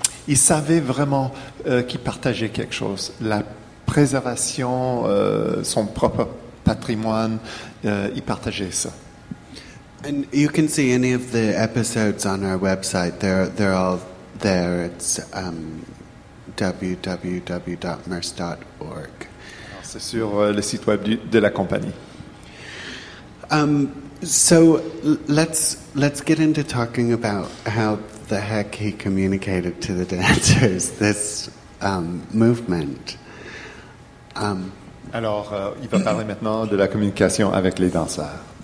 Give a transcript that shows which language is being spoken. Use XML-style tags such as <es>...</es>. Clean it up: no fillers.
<fr>Ils savaient vraiment qu'ils partageaient quelque chose. La préservation, son propre patrimoine, ils partageaient ça.</fr> <en>And you can see any of the episodes on our website. They're all there. It's www.mers.org.</en> <fr>C'est sur le site web de la compagnie.</fr> <en>So let's get into talking about how the heck he communicated to the dancers this movement.</en> <fr>Alors, il va parler maintenant de la communication avec les danseurs.</fr>